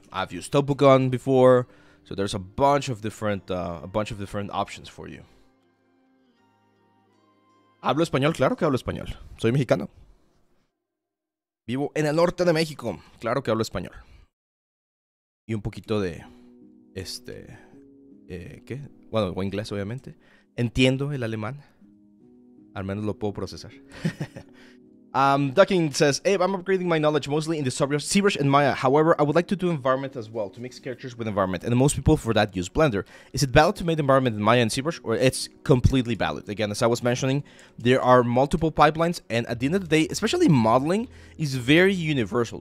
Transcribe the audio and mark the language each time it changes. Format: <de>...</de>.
<en>I've used TopoGun before. So there's a bunch of different options for you.</en> <es>Hablo español, claro que hablo español. Soy mexicano. Vivo en el norte de México. Claro que hablo español. Y un poquito de, ¿qué? Bueno, o inglés, obviamente. Entiendo el alemán. Al menos lo puedo procesar.</es> <en>Ducking says, Abe, I'm upgrading my knowledge mostly in the subjects ZBrush and Maya. However, I would like to do environment as well, to mix characters with environment, and most people for that use Blender. Is it valid to make environment in Maya and ZBrush, or it's completely valid? Again, as I was mentioning, there are multiple pipelines, and at the end of the day, especially modeling, is very universal.</en>